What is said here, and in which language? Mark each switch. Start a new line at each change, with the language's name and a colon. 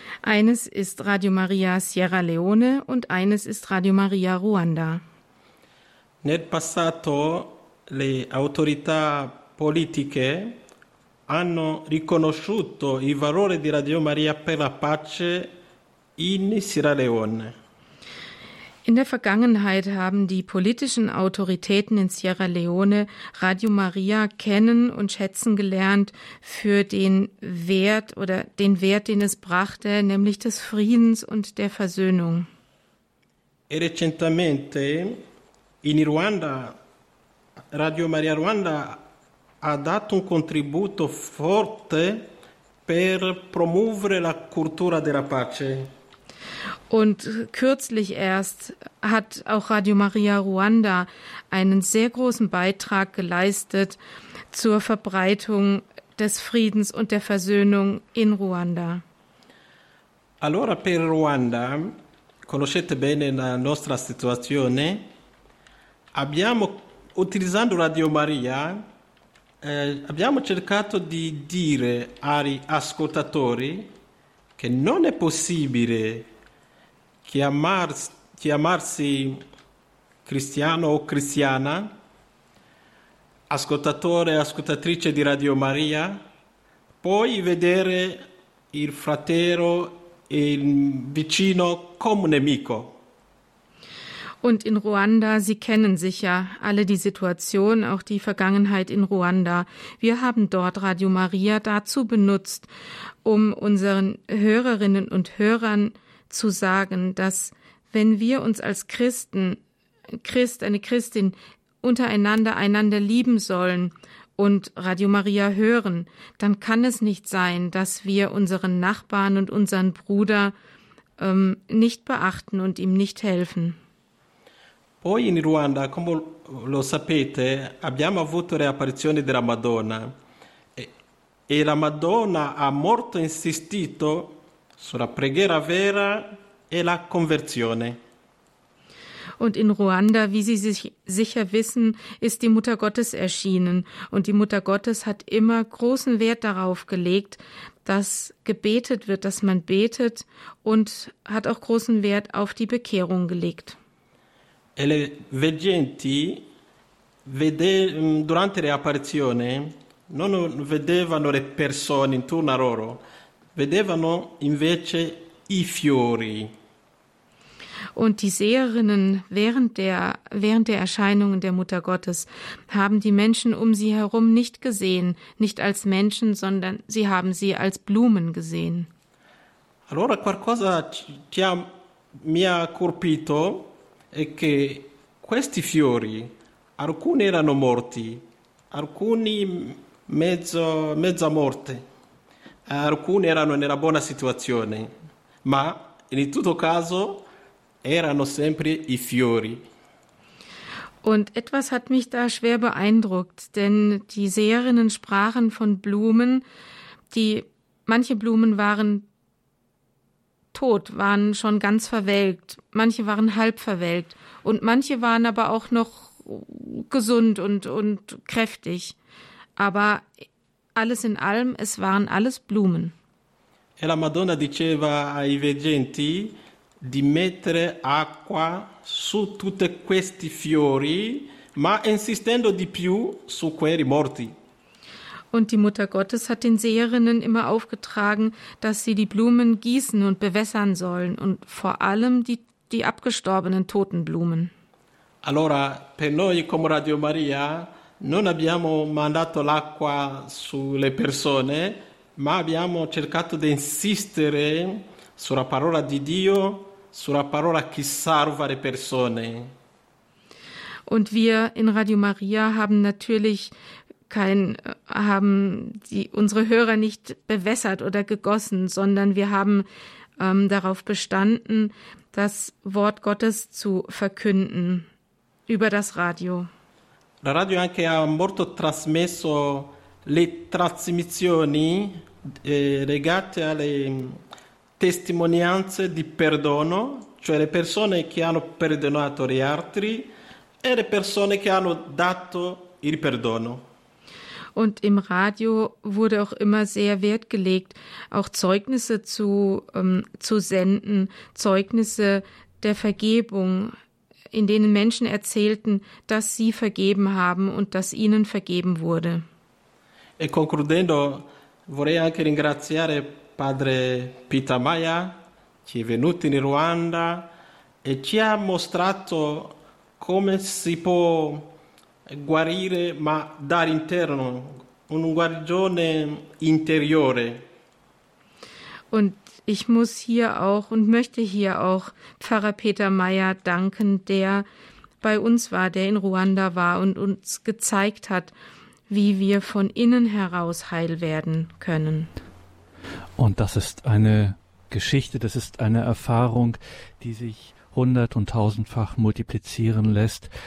German: Eines ist Radio Maria Sierra Leone und eines ist Radio Maria Ruanda.
Italian: Nel passato le autorità politiche hanno riconosciuto il valore di Radio Maria per la pace in Sierra Leone.
German: In der Vergangenheit haben die politischen Autoritäten in Sierra Leone Radio Maria kennen und schätzen gelernt für den Wert oder den Wert, den es brachte, nämlich des Friedens und der Versöhnung.
Italian: E recentemente in Ruanda Radio Maria Ruanda ha dato un contributo forte per promuovere la cultura della pace.
German: Und kürzlich erst hat auch Radio Maria Ruanda einen sehr großen Beitrag geleistet zur Verbreitung des Friedens und der Versöhnung in Ruanda.
Italian: Allora per Ruanda, conoscete bene la nostra situazione, abbiamo, utilizzando Radio Maria, abbiamo cercato di dire agli ascoltatori che non è possibile chiamarsi cristiano o cristiana, ascoltatore o ascoltatrice di Radio Maria, poi vedere il fratello e il vicino come nemico.
German: Und in Ruanda, Sie kennen sicher alle die Situation, auch die Vergangenheit in Ruanda. Wir haben dort Radio Maria dazu benutzt, um unseren Hörerinnen und Hörern zu sagen, dass wenn wir uns als Christen, eine Christin, untereinander einander lieben sollen und Radio Maria hören, dann kann es nicht sein, dass wir unseren Nachbarn und unseren Bruder nicht beachten und ihm nicht helfen.
Italian: Poi in Ruanda, come lo sapete, abbiamo avuto le apparizioni della Madonna e la Madonna ha molto insistito sulla preghiera vera e la conversione.
German: Und in Ruanda, wie Sie sich sicher wissen, ist die Mutter Gottes erschienen und die Mutter Gottes hat immer großen Wert darauf gelegt, dass gebetet wird, dass man betet und hat auch großen Wert auf die Bekehrung gelegt.
Italian: E le veggenti, durante le apparizioni, non vedevano le persone intorno a loro, vedevano invece i fiori.
German: Und die Seherinnen während der Erscheinungen der Mutter Gottes haben die Menschen um sie herum nicht gesehen, nicht als Menschen, sondern sie haben sie als Blumen gesehen.
Italian: Allora qualcosa mi ha colpito è che questi fiori, alcuni erano morti, alcuni mezza morte, alcuni erano nella buona situazione, ma in tutto caso erano sempre i fiori.
German: Und etwas hat mich da schwer beeindruckt, denn die Seherinnen sprachen von Blumen, die manche Blumen waren tot, waren schon ganz verwelkt, manche waren halb verwelkt und manche waren aber auch noch gesund und kräftig. Aber alles in allem, es waren alles Blumen.
Italian: E la Madonna diceva ai veggenti di mettere acqua su tutti questi fiori, ma insistendo di più su quelli morti.
German: Und die Mutter Gottes hat den Seherinnen immer aufgetragen, dass sie die Blumen gießen und bewässern sollen und vor allem die abgestorbenen toten Blumen.
Italian: Allora, per noi come Radio Maria non abbiamo mandato l'acqua sulle persone, ma abbiamo cercato di insistere sulla parola di Dio, sulla parola che salva le persone.
German: Und wir in Radio Maria haben natürlich unsere Hörer nicht bewässert oder gegossen, sondern wir haben darauf bestanden, das Wort Gottes zu verkünden über das Radio.
Italian: La radio anche ha molto trasmesso le trasmissioni legate alle testimonianze di perdono, cioè le persone che hanno perdonato gli altri e le persone che hanno dato il perdono.
German: Und im Radio wurde auch immer sehr Wert gelegt, auch Zeugnisse zu senden, Zeugnisse der Vergebung, in denen Menschen erzählten, dass sie vergeben haben und dass ihnen vergeben wurde.
Italian: E concludendo, vorrei anche ringraziare Padre Peter Maya, che è venuto in Ruanda e ci ha mostrato come si può guarire, ma dall'interno, una guarigione interiore.
German: Und ich muss hier auch und möchte hier auch Pfarrer Peter Meyer danken, der bei uns war, der in Ruanda war und uns gezeigt hat, wie wir von innen heraus heil werden können. Und das ist eine Geschichte, das ist eine Erfahrung, die sich hundert- und tausendfach multiplizieren lässt.